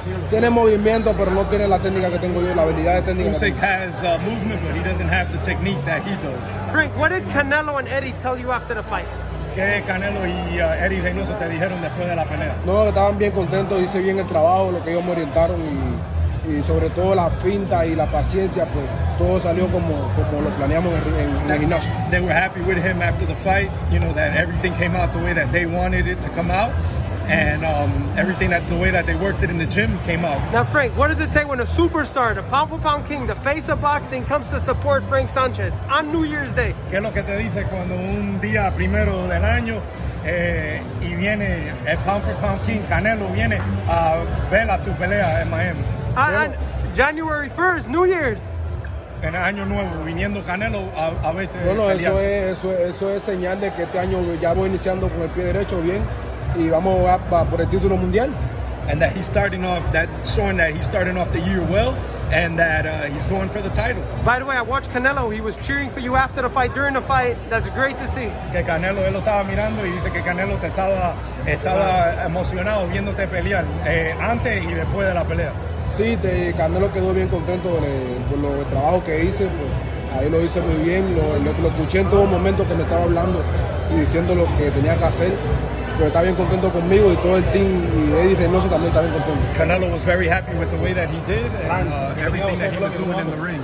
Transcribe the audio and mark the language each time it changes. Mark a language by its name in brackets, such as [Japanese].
[Spanish] Tiene movimiento, pero no tiene la técnica que tengo yo, la habilidad de técnica. [English] Usyk has movement, but he doesn't have the technique that he does. Frank, what did Canelo and Eddie tell you after the fight? [Spanish] ¿Qué Canelo y Eddie Reynoso te dijeron después de la pelea? No, estaban bien contentos, hice bien el trabajo, lo que ellos me orientaron y sobre todo la finta y la paciencia, pues todo salió como lo planeamos en el gimnasio. [English] They were happy with him after the fight, you know, that everything came out the way that they wanted it to come out, and everything, that the way that they worked it in the gym, came out. Now Frank, what does it say when a superstar, the pound for pound king, the face of boxing, comes to support Frank Sanchez on New Year's Day? [Spanish] ¿Qué es lo que te dice cuando un día primero del año y viene el [English] pound for pound king [Spanish] Canelo viene a ver a tu pelea en Miami? [English] January 1st, New Year's. [Spanish] En el año nuevo, viniendo Canelo a verte. Bueno, eso es señal de que este año ya voy iniciando con el pie derecho bien y vamos a por el título mundial. [English] And that he's starting off, that's showing that he's starting off the year well, and that he's going for the title. By the way, I watched Canelo. He was cheering for you after the fight, during the fight. That's great to see. [Spanish] Que Canelo, él lo estaba mirando y dice que Canelo te estaba emocionado viéndote pelear antes y después de la pelea. Sí, Canelo quedó bien contento por lo del trabajo que hice, pues ahí lo hice muy bien, lo escuché en todo momento que me estaba hablando y diciendo lo que tenía que hacer, pero está bien contento conmigo y todo el team, y Eddie Reynoso también está bien contento. [English] Canelo was very happy with the way that he did and everything that he was doing in the ring.